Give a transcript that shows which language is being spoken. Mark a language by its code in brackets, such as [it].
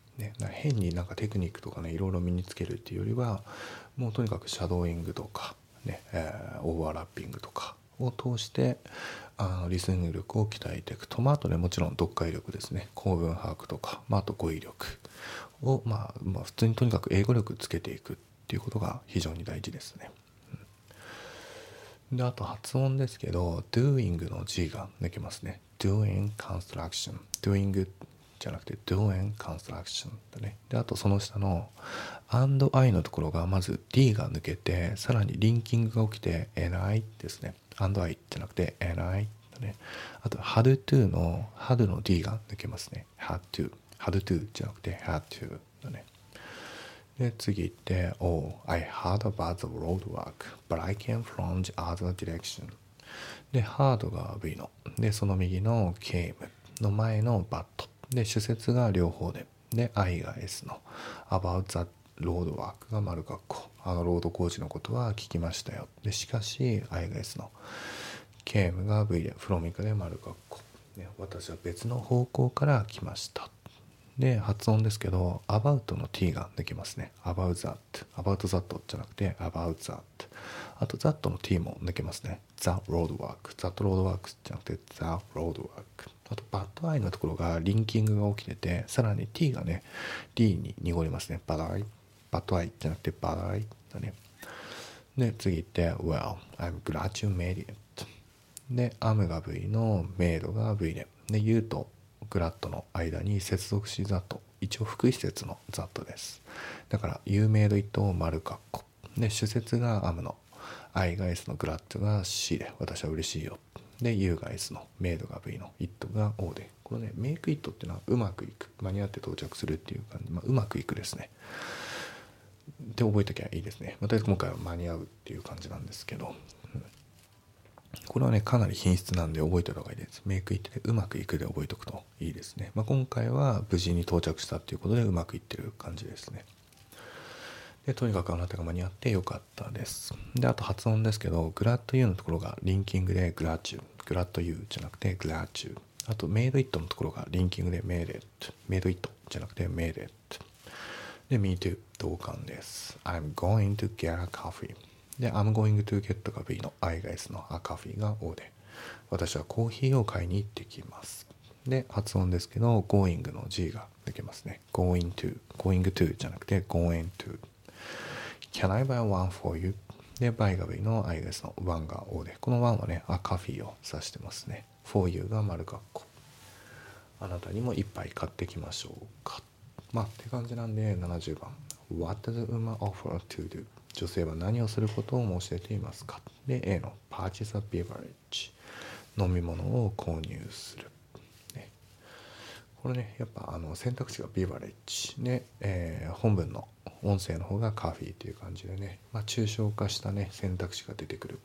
[ja] ね、な変になんかテクニックとかねいろいろ身につけるっていうよりはもうとにかくシャドーイングとか、ねオーバーラッピングとかを通してリスニング力を鍛えていくと、まあ、あとねもちろん読解力ですね、構文把握とか、まあ、あと語彙力を、まあ、普通にとにかく英語力つけていくっていうことが非常に大事ですね。であと発音ですけど Doing の G が抜けますね。 [en] Doing Construction Doing [ja] じゃなくて [en] Doing Construction [ja] だね。であとその下の And I のところがまず D が抜けてさらにリンキングが起きて And I ですね。 [en] And I [ja] じゃなくて [en] And I [ja] だね。あと Had to の Had の D が抜けますね。 [en] Had to Had to [ja] じゃなくて [en] Had to [ja] だね。で次行って [en] Oh, I heard about the road work but I came from the other direction [ja] で hard が V のでその右の came の前の but で主節が両方でで I が S の about the road work が丸括弧ロード工事のことは聞きましたよでしかし I が S の came が V で from 以下で丸括弧で私は別の方向から来ました。で発音ですけど about の t が抜けますね。 [en] about that about that [ja] じゃなくて about that あと that の t も抜けますね。 [en] the road work that road work [ja] じゃなくて the road work あと [en] but i [ja] のところがリンキングが起きててさらに t がね d に濁りますね。 [en] but i but i [ja] じゃなくて [en] but i [ja] だね。で次行って [en] well I'm glad you made it [ja] で am が v の made が v でで you とグラッドの間に接続詞ザット一応副詞節のザットですだから有名度一等丸括弧で主節がアムの I が S のグラッドが C で私は嬉しいよで U が S のメイドが V のイットが O でこのねメイクイットっていうのはうまくいく間に合って到着するっていう感じ、まあ、うまくいくですねで覚えときゃいいですね。また今回は間に合うっていう感じなんですけど、これはねかなり品質なんで覚えておいた方がいいです。メイクイットでうまくいくで覚えておくといいですね。まあ、今回は無事に到着したということでうまくいってる感じですね。でとにかくあなたが間に合ってよかったです。であと発音ですけどグラッド U のところがリンキングでグラッチュグラッド U じゃなくてグラッチュあとメイドイットのところがリンキングでメイデットメイドイットじゃなくてメイデットで [en] Me too [ja] 同感です。 [en] I'm going to get a coffee [ja] で、I'm going to get が V の I が S の A coffee が O で、私はコーヒーを買いに行ってきます。で、発音ですけど、going の G が抜けますね。 [en] going to、going to [ja] じゃなくて、 [en] going to。 can I buy one for you? [ja] で、buy が V の I が S の one が O で、この one はね、A coffee を指してますね。 for you が丸括弧。あなたにも一杯買ってきましょうか。まあ、って感じなんで、70番。 [en] what does the woman offer to do? [ja] 女性は何をすることを申し出ていますか。で A の [en] Purchase a beverage [ja] 飲み物を購入する、ね、これねやっぱ選択肢が beverage ね、本文の音声の方がカフィーっていう感じでね、まあ、抽象化したね選択肢が出てくる。